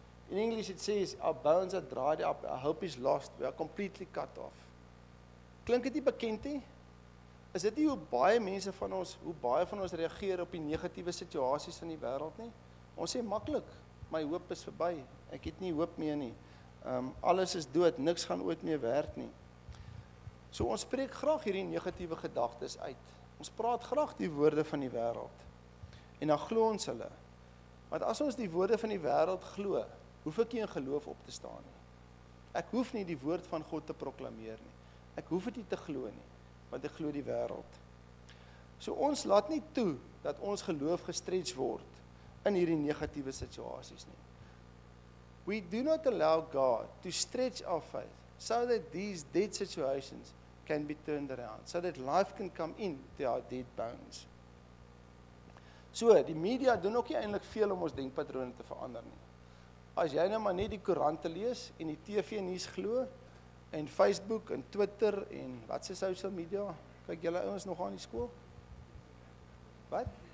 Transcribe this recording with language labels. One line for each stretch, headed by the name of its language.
Afrikaans: In Engels het sê,
English: our bones are dried up, our hope is lost, we are completely cut off.
Afrikaans: Klink dit nie bekend nie? Is dit nie hoe baie van ons reageer op die negatiewe situasies in die wêreld nie? Ons sê maklik, my hoop is verby, ek het nie hoop meer nie. Alles is dood, niks gaan ooit meer werk nie. So ons spreek graag hierdie negatiewe gedagtes uit. Ons praat graag die woorde van die wêreld. En dan glo ons hulle. Want as ons die woorde van die wêreld glo, hoef ek nie in geloof op te staan nie. Ek hoef nie die woord van God te proklameer nie. Ek hoef dit nie te glo nie, want ek glo die wêreld. So ons laat nie toe dat ons geloof gestrets word in hierdie negatiewe situasies nie.
English: We do not allow God to stretch our faith so that these dead situations can be turned around, so that life can come in to our dead bones.
Afrikaans: So, die media doen ook nie eintlik veel om ons denkpatrone te verander nie. As jy nou maar net die koerante lees en die TV nuus glo en Facebook en Twitter en wat se social media? Kyk julle ouens nog aan die skool? Wat?